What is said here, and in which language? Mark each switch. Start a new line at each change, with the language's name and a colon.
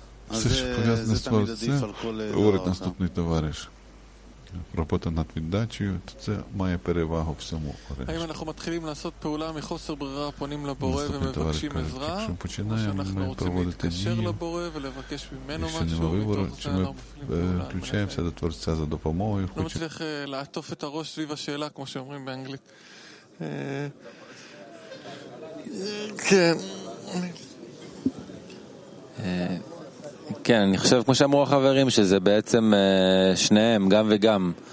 Ukrainian: Все, що пов'язане з Творцем, говорить наступний товариш. Робота над віддачею, то це має перевагу всьому.
Hebrew: Аим, אנחנו מתחילים לעשות פעולה מחוסר ברירה, פונים לבורא ומבקשים עזרה, או שאנחנו רוצים להתקשר לבורא ולבקש ממנו משהו, מתוך זה אנחנו מפעילים פעולה.
Ukrainian: чи ми включаємося до Творця за допомогою?
Hebrew: לא מצליח לעטוף את הראש סביב השאלה, כמו שאומרים באנגלית. כן. כן, אני חושב, כמו שאמרו החברים, שזה בעצם שניהם, גם וגם.